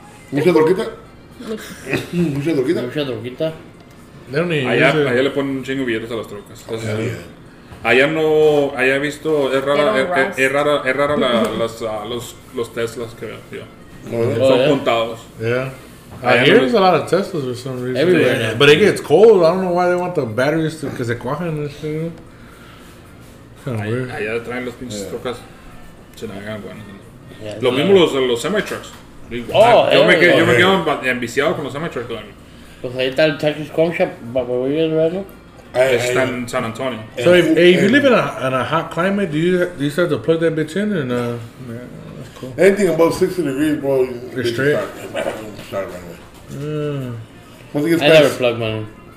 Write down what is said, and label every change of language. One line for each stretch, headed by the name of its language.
Spanish: Mucha droguita? Mucha droguita? Mucha droguita?
English: They don't need
Spanish: allá le ponen un chingo de billetes a las trocas.
English: Oh, yeah.
Spanish: Allá no, allá he visto, es rara los Teslas que veo, tío. Son juntados.
English: Yeah. Here there's a lot of Teslas for some reason. Everywhere. Yeah. But it gets cold. I don't know why they want the batteries to, because they cuajan this shit. Kind of weird.
Spanish: Allá traen los pinches trocas. Se navegan buenos. Lo mismo los semi-trucks. Yo me quedo enviciado con los semi-trucks.
English: Pues ahí está el Texas Chrome Shop, but we're here right now. It's in San Antonio. So if you live in a hot climate, do you start to plug that bitch in? Man, that's cool. Anything above 60 degrees, bro, you are straight. Start right away. I never plug mine.